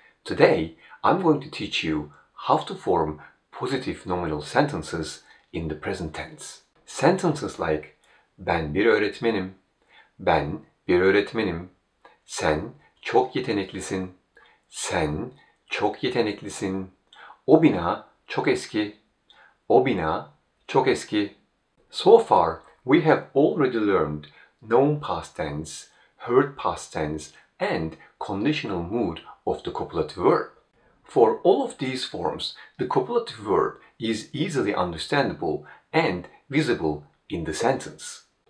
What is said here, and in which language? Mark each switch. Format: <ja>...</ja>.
<en>Today, I'm going to teach you how to form positive nominal sentences in the present tense. Sentences like</en> <tr>ben bir öğretmenim, ben bir öğretmenim, sen çok yeteneklisin, sen çok yeteneklisin, o bina çok eski, o bina çok eski.</tr> <en>So far, we have already learned known past tense, heard past tense, and conditional mood of the copulative verb. For all of these forms, the copulative verb is easily understandable and visible in the sentence.</en>